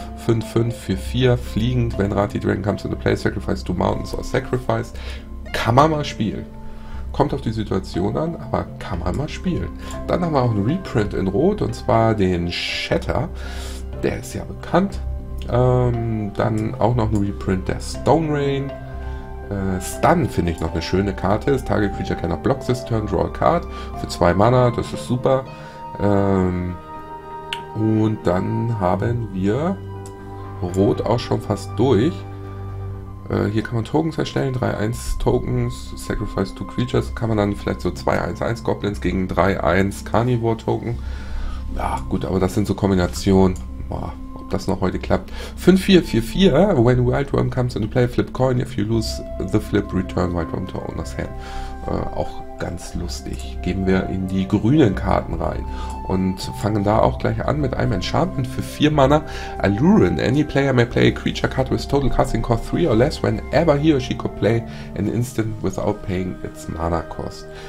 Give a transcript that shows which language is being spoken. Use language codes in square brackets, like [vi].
[de] 5-5 für 4, fliegend. Wenn Rati Dragon [en] comes into play, sacrifice 2 Mountains or sacrifice. [de] Kann man mal spielen. Kommt auf die Situation an, aber kann man mal spielen. Dann haben wir auch einen Reprint in Rot, und zwar den Shatter. Der ist ja bekannt. Dann auch noch ein Reprint der Stone Rain. Stun finde ich noch eine schöne Karte. [en] Das Target Creature cannot block this turn, draw a card. [de] Für 2 Mana, das ist super. Und dann haben wir Rot auch schon fast durch. Hier kann man Tokens erstellen, 3-1 Tokens, [en] sacrifice 2 Creatures. [de] Kann man dann vielleicht so 2-1-1 Goblins gegen 3-1 Carnivore Token. Ja, gut, aber das sind so Kombinationen. Boah. Das noch heute klappt. 5-4-4-4. [en] When Wild Worm comes into play, flip coin. If you lose the flip, return Wild Worm to owner's hand. [de] Auch ganz lustig. Geben wir in die grünen Karten rein und fangen da auch gleich an mit einem Enchantment für 4 Mana. Alluren. [en] Any player may play a creature card with total casting cost 3 or less whenever he or she could play an instant without paying its mana cost.